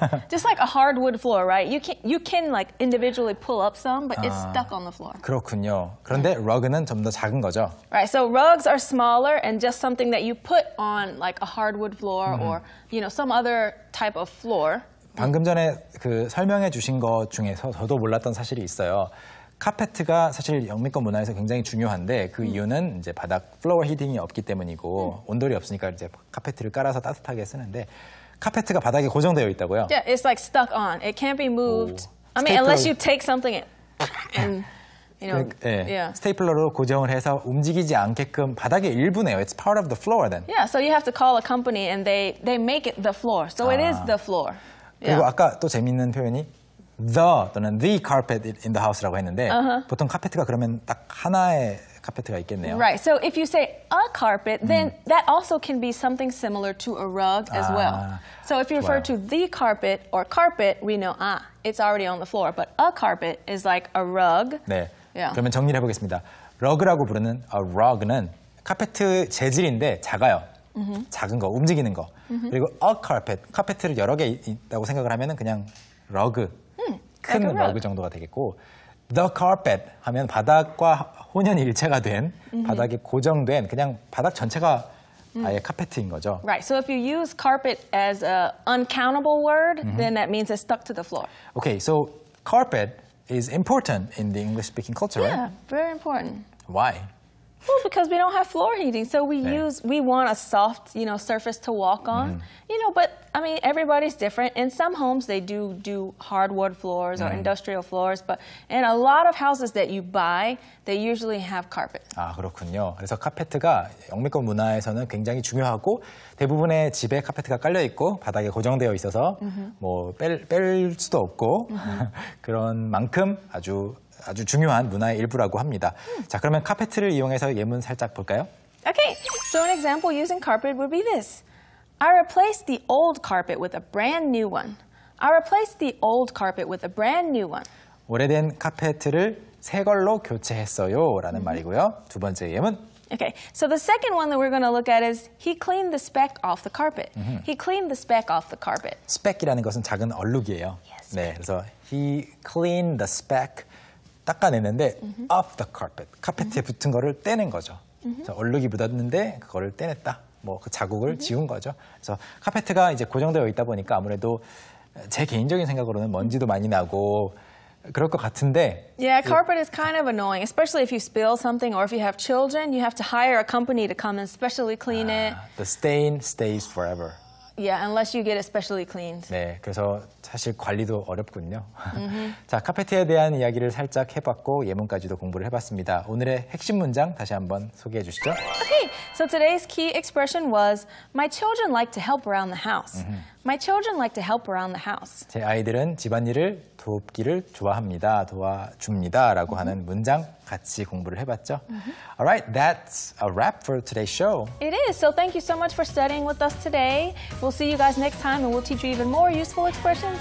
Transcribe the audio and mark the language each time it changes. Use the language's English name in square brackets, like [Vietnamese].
[English] Just like a hardwood floor, right? You can like individually pull up some, but it's stuck on the floor. [Korean] 그렇군요. 그런데 rug는 좀 더 작은 거죠? [English] Right, so rugs are smaller and just something that you put on like a hardwood floor or, you know, some other type of floor. [Korean] 방금 전에 그 설명해 주신 것 중에서 저도 몰랐던 사실이 있어요. 카페트가 사실 영미권 문화에서 굉장히 중요한데 그 이유는 이제 바닥 플로어 히팅이 없기 때문이고 온돌이 없으니까 이제 카페트를 깔아서 따뜻하게 쓰는데 카페트가 바닥에 고정되어 있다고요? [English] Yeah, it's like stuck on. It can't be moved. 오, I mean, 스테이플러. unless you take something and, you know, [Korean] 그러니까, 예, yeah. 스테이플러로 고정을 해서 움직이지 않게끔 바닥의 일부네요. [English] It's part of the floor then. Yeah, so you have to call a company and they make it the floor. So it is the floor. [Korean] 그리고 아까 또 재밌는 표현이 The 또는 [English] the carpet in the house [Korean] 라고 했는데 보통 카페트가 그러면 딱 하나의 카페트가 있겠네요. [English] Right. So if you say a carpet, then that also can be something similar to a rug as well. So if you refer to the carpet or carpet, we know it's already on the floor. But a carpet is like a rug. [Korean] 네. Yeah. 그러면 정리를 해보겠습니다. 러그라고 부르는 a rug는 카페트 재질인데 작아요. 작은 거, 움직이는 거. 그리고 a carpet, 카페트를 여러 개 있다고 생각을 하면은 그냥 러그. 큰 러그 [English] like [Korean] 정도가 되겠고 the carpet 하면 바닥과 혼연일체가 된 바닥에 고정된 그냥 바닥 전체가 아예 카페트인 거죠. [English] Right. So if you use carpet as a uncountable word, then that means it's stuck to the floor. Okay. So carpet is important in the English-speaking culture. Yeah, very important. Why? Well, because we don't have floor heating, so we 네. use, we want a soft, you know, surface to walk on. You know, but I mean, everybody's different. In some homes, they do hardwood floors or industrial floors, but in a lot of houses that you buy, they usually have carpet. [Korean] 아, 그렇군요. 그래서 카페트가 영미권 문화에서는 굉장히 중요하고 대부분의 집에 카페트가 깔려 있고 바닥에 고정되어 있어서 뭐 뺄 수도 없고 그런 만큼 아주 아주 중요한 문화의 일부라고 합니다. 자, 그러면 카페트를 이용해서 예문 살짝 볼까요? [English] Okay. So an example using carpet would be this. I replaced the old carpet with a brand new one. I replaced the old carpet with a brand new one. [Korean] 오래된 카페트를 새 걸로 교체했어요라는 말이고요. 두 번째 예문. [English] Okay. So the second one that we're going to look at is he cleaned the speck off the carpet. He cleaned the speck off the carpet. [Korean] Speck이라는 것은 작은 얼룩이에요. [English] Yes. [Korean] 네. 그래서 [English] he cleaned the speck [Korean] 닦아내는데 [English] off the carpet, [Korean] 카페트에 붙은 거를 떼낸 거죠. 그래서 얼룩이 묻었는데 그거를 떼냈다. 뭐 그 자국을 지운 거죠. 그래서 카페트가 이제 고정되어 있다 보니까 아무래도 제 개인적인 생각으로는 먼지도 많이 나고 그럴 것 같은데. [English] Yeah, carpet is kind of annoying, especially if you spill something or if you have children. You have to hire a company to come and specially clean it. The stain stays forever. Yeah, unless you get it specially cleaned. [Korean] 네, 그래서 사실 관리도 어렵군요. 자, 카페트에 대한 이야기를 살짝 해봤고 예문까지도 공부를 해봤습니다. 오늘의 핵심 문장 다시 한번 소개해 주시죠. [English] Okay, so today's key expression was my children like to help around the house. My children like to help around the house. [Korean] 제 아이들은 집안일을 돕기를 좋아합니다. 도와줍니다라고 하는 문장 같이 공부를 해봤죠. [English] All right, that's a wrap for today's show. It is. So thank you so much for studying with us today. We'll see you guys next time, and we'll teach you even more useful expressions.